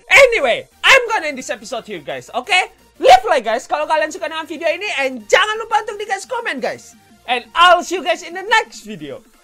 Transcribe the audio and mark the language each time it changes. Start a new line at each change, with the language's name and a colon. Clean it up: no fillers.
English: Anyway, I'm gonna end this episode here guys, oke? Okay? Leave like guys
Indonesian: kalau kalian suka dengan video ini. And jangan lupa untuk dikasih komen guys.
English: And I'll see you guys in the next video.